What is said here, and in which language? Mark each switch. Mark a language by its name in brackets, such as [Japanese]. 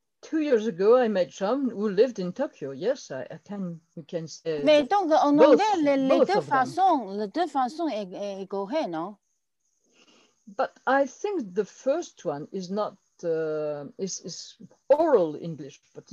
[English] 2 years ago, I met John who lived in Tokyo. Yes, I can. You can say. [French] Mais donc en both, anglais, les deux façons est correct, non? [English] But I think the first one is not is oral English, but it's